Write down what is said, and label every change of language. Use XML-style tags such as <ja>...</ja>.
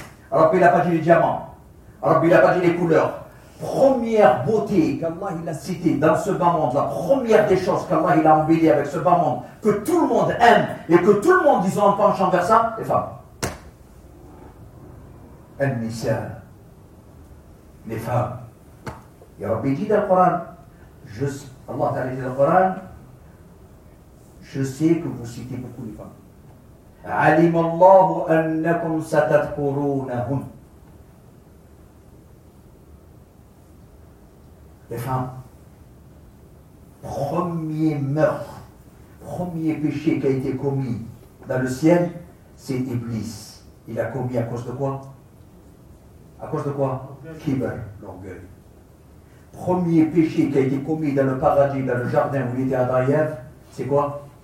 <fr>Rabbi il n'a pas dit les diamants. Rabbi il n'a pas dit les couleurs. Première beauté qu'Allah il a citée dans ce bas monde, la première des choses qu'Allah il a embellie avec ce bas monde, que tout le monde aime et que tout le monde ils ont un penchant vers ça, les femmes. An-nisa. Les femmes. Et Rabbi dit dans le Coran, Allah t'a dit dans le Coran, je sais que vous citez beaucoup les femmes.</fr> <ar>علم الله أنكم ستذكرونهن.</ar> <fr>Les femmes, premier meurtre, premier péché qui a été commis dans le ciel, c'est Iblis. Il a commis à cause de quoi? À cause de quoi? Kibr, l'orgueil. Premier péché qui a été commis dans le paradis, dans le jardin où il était Adam et Ève, c'est quoi?</fr>